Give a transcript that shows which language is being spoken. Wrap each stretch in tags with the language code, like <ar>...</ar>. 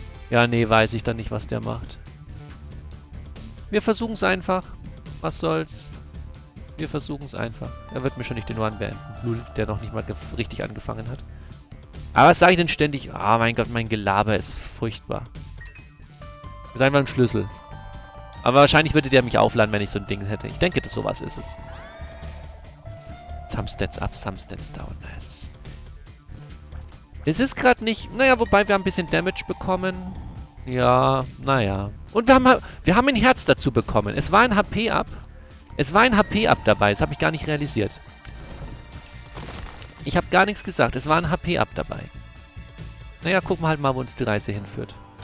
<de>Ja, nee, weiß ich dann nicht, was der macht. Wir versuchen es einfach. Was soll's? Wir versuchen es einfach. Er wird mir schon nicht den One beenden. Null, der noch nicht mal ge richtig angefangen hat. Aber was sage ich denn ständig? Ah, oh mein Gott, mein Gelaber ist furchtbar. Mit einem Schlüssel. Aber wahrscheinlich würde der mich aufladen, wenn ich so ein Ding hätte. Ich denke, das sowas ist es.</de> <en>Some stats up, some stats down.</en> <de>Es ist gerade nicht. Naja, wobei wir haben ein bisschen Damage bekommen. Ja, naja. Und wir haben ein Herz dazu bekommen. Es war ein HP-Up. Es war ein HP-Up dabei. Das habe ich gar nicht realisiert. Ich habe gar nichts gesagt. Es war ein HP-Up dabei. Naja, gucken wir halt mal, wo uns die Reise hinführt.</de>